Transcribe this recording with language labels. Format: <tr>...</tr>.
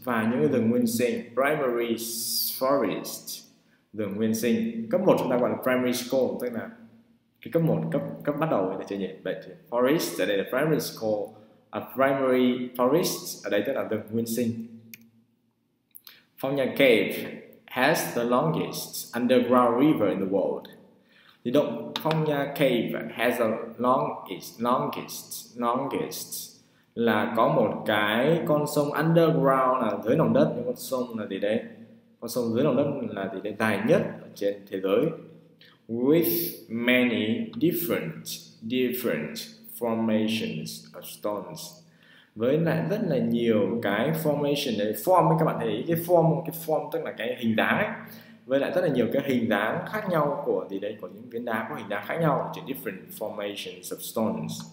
<vi>Và những rừng nguyên sinh, primary forest, rừng nguyên sinh. Cấp 1 chúng ta gọi là primary school, tức là cái cấp 1, cấp bắt đầu là chưa nhỉ? But forest, ở đây là primary school,</vi> <en>a primary forest,</en> <vi>ở đây tức là rừng nguyên sinh.</vi> <en>Phong Nha Cave has the longest underground river in the world.</en> <vi>Thì động phong nha cave</vi> <en>has a longest</en> <vi>là có một cái con sông underground là dưới lòng đất, con sông là gì đấy, con sông dưới lòng đất là gì đấy, dài nhất trên thế giới.</vi> <en>With many different formations of stones,</en> <vi>với lại rất là nhiều cái formation đấy, form các bạn thấy cái form tức là cái hình đá ấy, với lại rất là nhiều cái hình dáng khác nhau của gì đấy, của những viên đá có hình dáng khác nhau, trên</vi> <en>different formations of stones.</en>